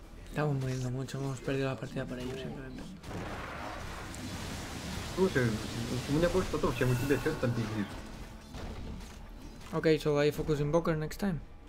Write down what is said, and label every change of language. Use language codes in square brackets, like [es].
[es] Estamos muriendo mucho, hemos perdido la partida para ellos simplemente. [ru] Слушай, у меня больше потов, чем у тебя, чё ты там бегишь? [en] Okay, so I focus Invoker next time.